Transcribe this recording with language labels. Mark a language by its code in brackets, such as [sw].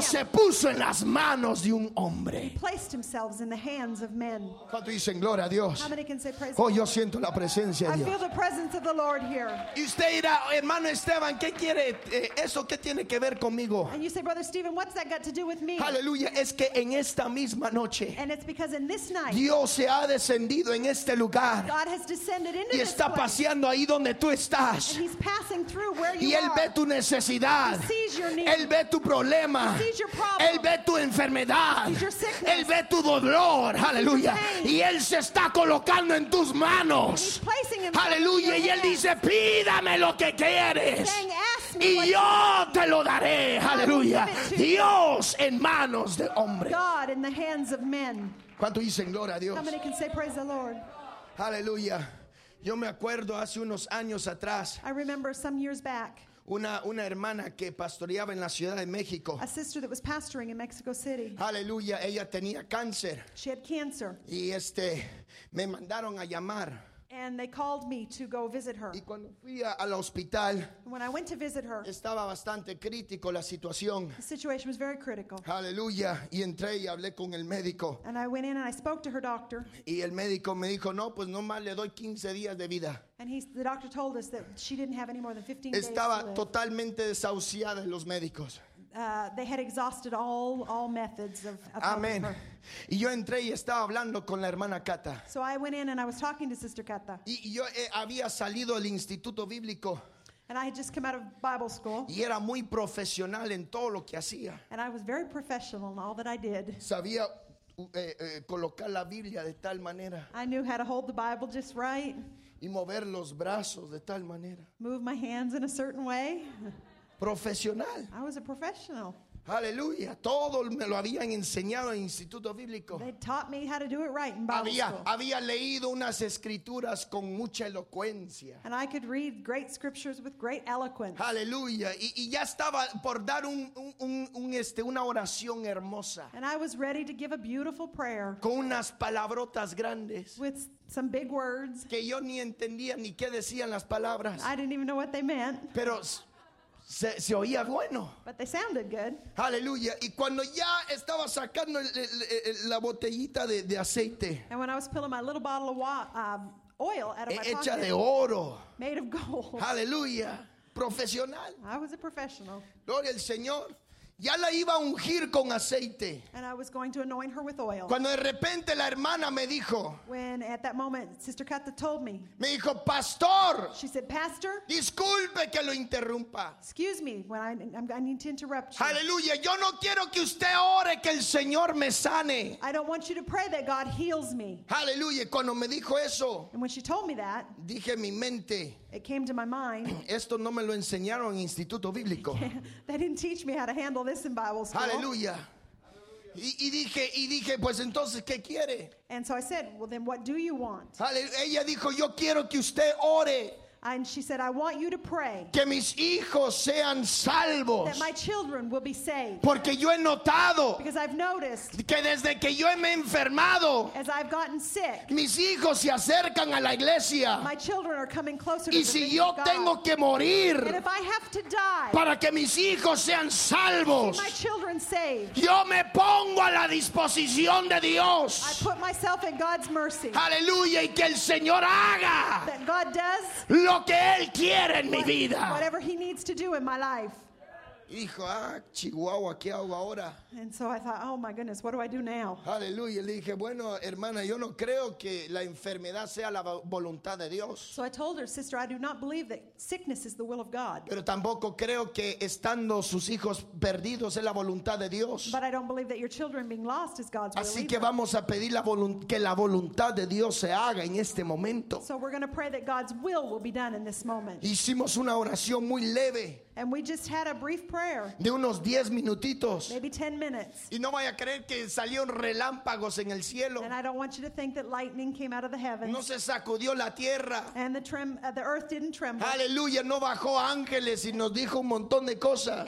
[es] Pero se puso en las manos de un hombre. [en] He placed himself in the hands of men. [es] ¿Cuánto dicen gloria a Dios? [en] How many can say praise oh, God? [es] Yo siento la presencia de Dios. [en] I feel the presence of the Lord here. [es] Y usted dirá, hermano Esteban, ¿qué quiere eso? ¿Qué tiene que ver conmigo? [en] And you say, brother Stephen, what's that got to do with me? [es] Aleluya, es que en esta misma noche. [en] And it's because in this night. [es] Dios Dios se ha descendido en este lugar y está paseando ahí donde tú estás. Y Él ve tu necesidad. Él ve tu problema. Él ve tu enfermedad. Él ve tu dolor. Aleluya. Y Él se está colocando en tus manos. Aleluya. Y Él dice, pídame lo que quieres. Y yo te lo daré. Aleluya. Dios en manos de hombre. [en] God in the hands of men. [es] ¿Cuánto dicen gloria a Dios? [en] How many can say praise the Lord? [es] Aleluya. Yo me acuerdo hace unos años atrás. [en] I remember some years back. [es] Una hermana que pastoreaba en la Ciudad de México. [en] A sister that was pastoring in Mexico City. [es] Aleluya. Ella tenía cáncer. [en] She had cancer. [es] Y me mandaron a llamar. [en] And they called me to go visit her. [es] Y cuando fui al hospital, [en] when I went to visit her, [es] estaba bastante crítico la situación. [en] The situation was very critical. [es] Hallelujah. Y entré y hablé con el médico. [en] And I went in and I spoke to her doctor. [es] Y el médico me dijo, no, pues no más le doy 15 días de vida. [en] And the doctor told us that she didn't have any more than 15 [es] estaba [en] days to live. [es] Totalmente desahuciada los médicos. [en] They had exhausted all methods of helping her. Amen. [es] Y yo entré y estaba hablando con la hermana Cata. [en] So I went in and I was talking to Sister Cata. [es] Y yo había salido del instituto bíblico. [en] And I had just come out of Bible school. [es] Y era muy profesional en todo lo que hacía. [en] And I was very professional in all that I did. [es] Sabía colocar la Biblia de tal manera. [en] I knew how to hold the Bible just right. [es] Y mover los brazos de tal manera. [en] Move my hands in a certain way. [es] Profesional. [en] I was a professional. [es] Aleluya. Todo me lo habían enseñado en instituto bíblico. [en] They taught me how to do it right in Bible [es] school. Había leído unas escrituras con mucha elocuencia. [en] And I could read great scriptures with great eloquence. [es] Aleluya. Y ya estaba por dar una oración hermosa. [en] And I was ready to give a beautiful prayer. [es] Con unas palabrotas grandes. [en] With some big words. [es] Que yo ni entendía ni qué decían las palabras. [en] I didn't even know what they meant. [es] Pero se oía bueno. [en] But they sounded good. [es] Aleluya. Y cuando ya estaba sacando la botellita de aceite. [en] And when I was pulling my little bottle of oil out of my pocket. [es] Hecha de oro. [en] Made of gold. [es] Aleluya. Profesional. [en] I was a professional. [es] Gloria al Señor. Ya la iba a ungir con aceite. [en] And I was going to anoint her with oil. [es] Cuando de repente la hermana me dijo. [en] When at that moment Sister Cata told me. [es] Me dijo, Pastor. [en] She said, Pastor. [es] Disculpe que lo interrumpa. [en] Excuse me, when I need to interrupt you. [es] Aleluya, yo no quiero que usted ore que el Señor me sane. [en] I don't want you to pray that God heals me. [es] Aleluya, cuando me dijo eso. [en] And when she told me that. [es] Dije en mi mente. [en] It came to my mind. [es] Esto no me lo enseñaron en instituto bíblico. [en] They didn't teach me how to handle this in Bible school. [es] Aleluya. Y dije, pues entonces, ¿qué quiere? [en] And so I said, well then what do you want? [es] Ella dijo, yo quiero que usted ore. [en] And she said, I want you to pray. [es] Que mis hijos sean salvos. [en] That my children will be saved. [es] Porque yo he notado. [en] Because I've noticed. [es] Que desde que yo me he enfermado. [en] As I've gotten sick. [es] Mis hijos se acercan a la iglesia. [en] My children are coming closer to the kingdom of God. [es] Y si yo tengo que morir. [en] And if I have to die. [es] Para que mis hijos sean salvos. [en] My children saved. [es] Yo me pongo a la disposición de Dios. [en] I put myself in God's mercy. [es] Aleluya. Y que el Señor haga. [en] That God does. [es] Lo que Él quiere en mi vida. [en] Whatever He needs to do in my life. [es] Hijo, Chihuahua, ¿qué hago ahora? [en] And so I thought, oh my goodness, what do I do now? [es] Aleluya. Le dije, bueno, hermana, yo no creo que la enfermedad sea la voluntad de Dios. [en] So I told her, sister, I do not believe that sickness is the will of God. [es] Pero tampoco creo que estando sus hijos perdidos es la voluntad de Dios. [en] But I don't believe that your children being lost is God's will. [es] Así que vamos a pedir la voluntad de Dios se haga en este momento. [en] So we're going to pray that God's will be done in this moment. [es] Hicimos una oración muy leve. [en] And we just had a brief prayer. [es] De unos 10 minutitos. [en] Maybe 10 minutes. [es] Y no vaya a creer que salieron relámpagos en el cielo. [en] And I don't want you to think that lightning came out of the heavens. [es] No se sacudió la tierra. [en] And the earth didn't tremble. [es] Aleluya, no bajó ángeles y nos dijo un montón de cosas.